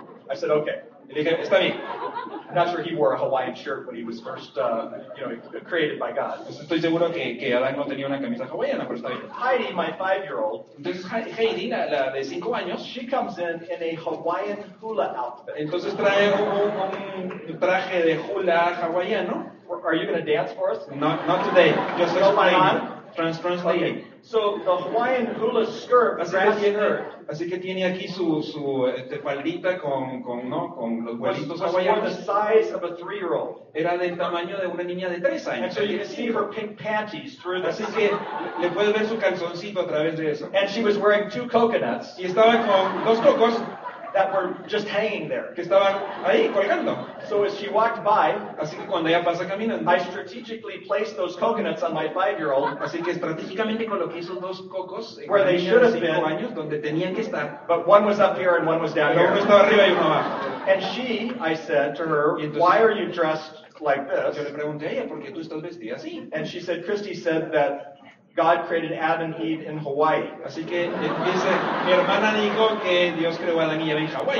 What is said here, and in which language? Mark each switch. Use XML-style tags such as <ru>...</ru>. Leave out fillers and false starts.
<en>I said, okay.</en> <es>Y dije, está bien.</es> <en>I'm not sure he wore a Hawaiian shirt when he was first, created by God.</en> <es>Entonces estoy seguro que Adán no tenía una camisa hawaiana, pero está bien.</es> <en>Heidi, my 5-year-old.</en> <es>Entonces Heidi, la de 5 años.</es> <en>She comes in a Hawaiian hula outfit.</en> <es>Entonces trae un traje de hula hawaiano.</es> <en>Are you going to dance for us? Not today. Just explain. Translating. Okay. So the Hawaiian hula skirt.</en> <es>Así que tiene aquí su faldita con los vuelitos hawaianos.</es> <en>The size of a 3-year-old.</en> <es>Era del tamaño de una niña de 3 años.</es> <en>And so you can see her pink panties through the.</en> <es>Así que le puedes ver su calzoncito a través de eso.</es> <en>And she was wearing 2 coconuts.</en> <es>Y estaba con 2 cocos.</es> <en>That were just hanging there.</en> <es>Que estaban ahí colgando.</es> <en>So as she walked by,</en> <es>así que cuando ella pasa caminando,</es> <en>I strategically placed those coconuts on my 5-year-old.</en> <es>Así que estratégicamente coloqué esos dos cocos en</es> <en>where they should have been,</en> <es>años, donde tenían que estar.</es> <en>But one was up here and one was down</en> <es>pero</es> <en>here.</en> <es>Uno estaba arriba y uno abajo.</es> <en>And she, I said to her,</en> <es>entonces,</es> <en>why are you dressed like this?</en> <es>Yo le pregunté a ella, ¿por qué tú estás vestida así?</es> <en>And she said, Christy said that God created Adam and Eve in Hawaii.</en> <es>Así que dice, mi hermana dijo que Dios creó a Adán y Eva en Hawaii.</es>